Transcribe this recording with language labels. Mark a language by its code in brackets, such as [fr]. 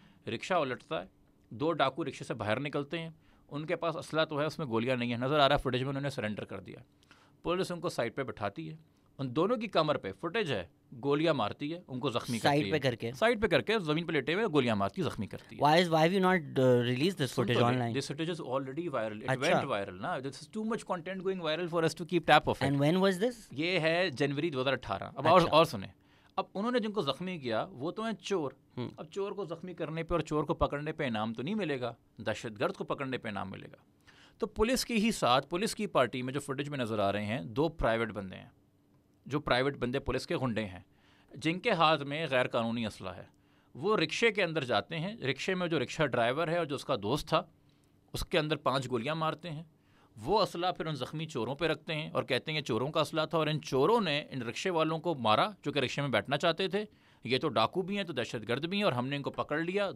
[ur] رکشہ الٹتا ہے, دو ڈاکو رکشے سے باہر نکلتے ہیں, ان کے پاس اسلحہ تو ہے, اس میں گولیاں نہیں ہیں, نظر آ رہا ہے فوٹیج میں انہوں نے سرنڈر کر دیا. پولیس ان کو سائڈ پہ بٹھاتی ہے, ان دونوں کی کمر پہ فوٹیج ہے, گولیاں مارتی ہے, ان کو زخمی کرتی ہے, سائڈ پہ کر کے زمین پہ لیٹے ہوئے گولیاں مارتی, زخمی کرتی ہے. [en] Why have you not released this footage online? This footage is already viral. It went viral. This is too much content going viral for us to keep tap of it. And when was this? [ur] یہ ہے جنوری 2018. اب اور سنیں, اب انہوں نے جن کو زخمی کیا وہ تو ہیں چور. اب چور کو زخمی کرنے پہ اور چور کو پکڑنے پہ انعام تو نہیں ملے گا, دہشت گرد کو پکڑنے پہ انعام ملے گا. تو پولیس کے ہی ساتھ, پولیس کی پارٹی میں جو فوٹیج میں نظر آ رہے ہیں, دو پرائیویٹ بندے ہیں, جو پرائیویٹ بندے پولیس کے غنڈے ہیں, جن کے ہاتھ میں غیر قانونی اسلحہ ہے, وہ رکشے کے اندر جاتے ہیں, رکشے میں جو رکشہ ڈرائیور ہے اور جو اس کا دوست تھا, اس کے اندر پانچ گولیاں مارتے ہیں, وہ اسلحہ پھر ان زخمی چوروں پہ رکھتے ہیں اور کہتے ہیں یہ چوروں کا اسلحہ تھا, اور ان چوروں نے ان رکشے والوں کو مارا جو کہ رکشے میں بیٹھنا چاہتے تھے, یہ تو ڈاکو بھی ہیں تو دہشت گرد بھی ہیں, اور ہم نے ان کو پکڑ لیا.